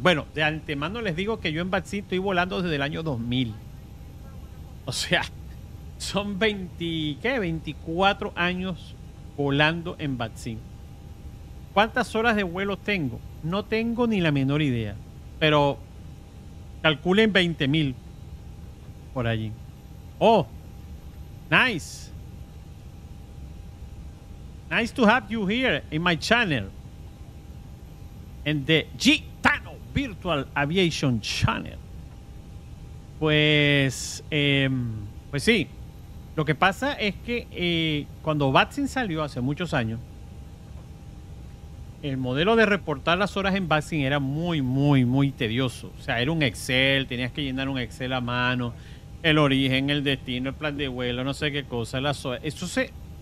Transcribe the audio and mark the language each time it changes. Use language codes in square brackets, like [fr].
[es] Bueno, de antemano les digo que yo en Batsy estoy volando desde el año 2000, o sea, son 24 años volando en Batsy. ¿Cuántas horas de vuelo tengo? No tengo ni la menor idea, pero calculen 20,000 por allí. [en] Oh, nice to have you here in my channel, in the Gitano Virtual Aviation Channel. [es] Pues sí, lo que pasa es que cuando Batsy salió hace muchos años, el modelo de reportar las horas en Batsy era muy, muy, muy tedioso. O sea, era un Excel, tenías que llenar un Excel a mano, el origen, el destino, el plan de vuelo, no sé qué cosa, las horas. Eso se...